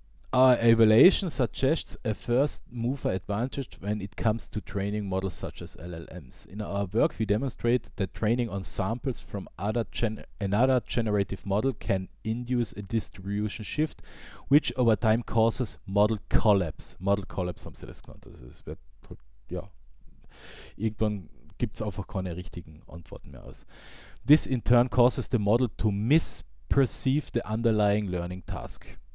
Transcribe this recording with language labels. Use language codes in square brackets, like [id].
[en] Evaluation suggests a first mover advantage when it comes to training models such as LLMs. In our work, we demonstrate that training on samples from another generative model can induce a distribution shift, which over time causes model collapse. [de] Model collapse haben sie das genannt. Also es wird, ja, irgendwann gibt es einfach keine richtigen Antworten mehr aus. [en] This in turn causes the model to misperceive the underlying learning task.